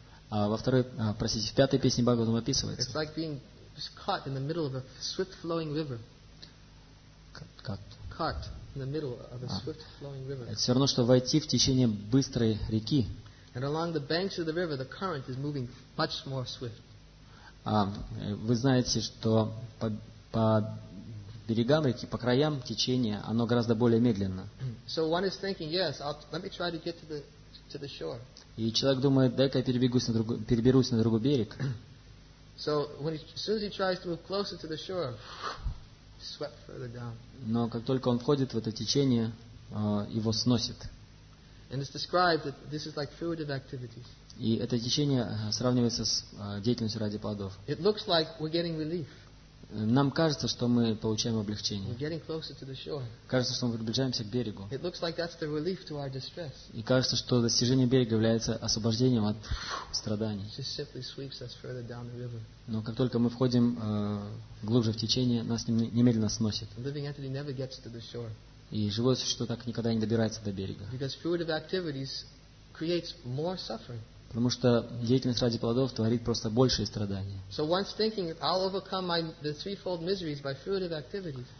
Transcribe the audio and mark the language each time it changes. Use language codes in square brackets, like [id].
[ru] А во второй, простите, в пятой песне Бхагаватам описывается. [en] Caught in the middle of a swift flowing river. Caught in the middle of a swift flowing river. [ru] Это все равно, что войти в течение быстрой реки. [en] And along the banks of the river, the current is moving much more swift. [ru] Вы знаете, что по берегам реки, по краям течения, оно гораздо более медленно. [en] So one is thinking, yes, let me try to get to the shore. [ru] И человек думает, дай-ка я переберусь на другой берег. [en] So when as soon as he tries to move closer to the shore, swept further down. [ru] Но как только он входит в это течение, его сносит. [en] And it's described that this is like fruitive activities. [ru] И это течение сравнивается с деятельностью ради плодов. [en] It looks like we're getting relief. [ru] Нам кажется, что мы получаем облегчение. [en] We're getting closer to the shore. [ru] Кажется, что мы приближаемся к берегу. [en] It looks like that's the relief to our distress. [ru] И кажется, что достижение берега является освобождением от страданий. [en] It just simply sweeps us further down the river. [ru] Но как только мы входим глубже в течение, нас немедленно сносит. [en] Living entity never gets to the shore. [ru] И живое существо так никогда не добирается до берега. [en] Because fruitive activities creates more suffering. [ru] Потому что деятельность ради плодов творит просто большие страдания. [en] So once thinking, I'll overcome the threefold miseries by fruitive activities.